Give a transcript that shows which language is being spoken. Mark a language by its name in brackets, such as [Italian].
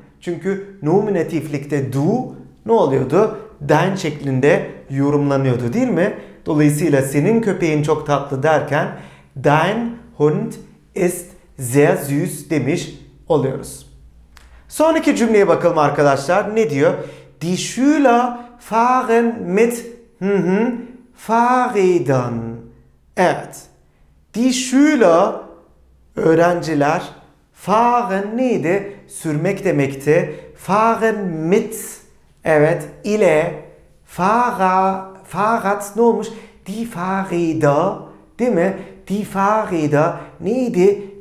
[Turkish] Çünkü nominatiflikte du ne oluyordu? Dein şeklinde yorumlanıyordu değil mi? Dolayısıyla senin köpeğin çok tatlı derken [German] dein Hund ist sehr süß [Turkish] demiş oluyoruz. Sonraki cümleye bakalım arkadaşlar. Ne diyor? [German] Die Schüler fahren mit Fahrrädern. [Turkish] Evet. Die Schüler, öğrenciler, fahren neydi? Sürmek demekti. Fahren mit, evet, ile Fahrrad ne olmuş? Die Fahrräder, değil mi? Die Fahrräder neydi?